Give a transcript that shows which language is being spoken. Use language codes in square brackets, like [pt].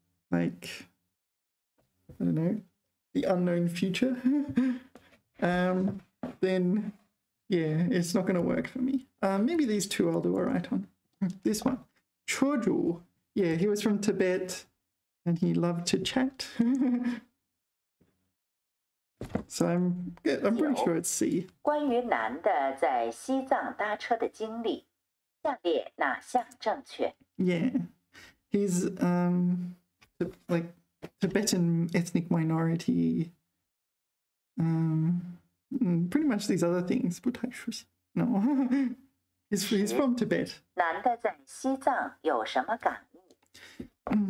[en] I don't know, the unknown future. then, yeah, it's not going to work for me. Maybe these two I'll do all right on. This one. Chodu. Yeah, he was from Tibet and he loved to chat. So I'm good. I'm pretty sure it's C. [zh] 关于男的在西藏搭车的经历，下列哪项正确？ [en] Yeah, he's like,Tibetan ethnic minority, pretty much these other things, but I should know. he's from Tibet. [zh] 男的在西藏有什么感悟？